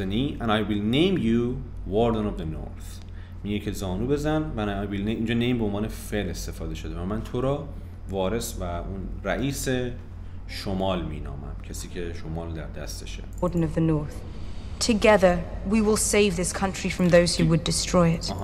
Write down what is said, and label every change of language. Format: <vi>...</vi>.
<en>Bend the knee and I will name you warden of the north.</en> <fa>میگه که زانو بزن و</fa> <en>I will name.</en> <fa>اینجا name به عنوان فعل استفاده شده و من تو را وارث و اون رئیس شمال مینامم، کسی که شمال در دستشه.</fa> <en>Warden of the north. Together we will save this country from those who would destroy it.</en>